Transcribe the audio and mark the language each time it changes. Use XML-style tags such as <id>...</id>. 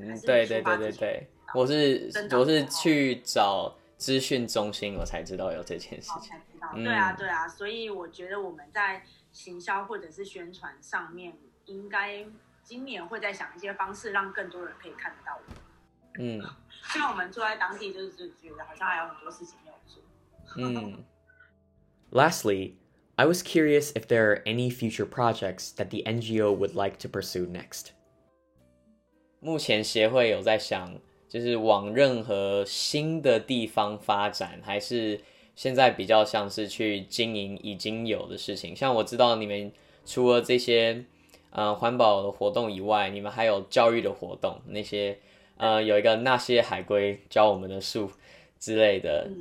<zh>嗯，对对对对对，我是去找资讯中心我才知道有这件事情。对啊对啊，所以我觉得我们在行销或者是宣传上面应该今年会再想一些方式让更多人可以看得到我们。嗯，像我们坐在当地就是觉得好像还有很多事情没有做。嗯。</zh> <en>Lastly, I was curious if there are any future projects that the NGO would like to pursue next.</en> <zh>目前协会有在想就是往任何新的地方发展，还是现在比较像是去经营已经有的事情？像我知道你们除了这些环保的活动以外，你们还有教育的活动，那些有一个那些海龟教我们的树之类的。</zh>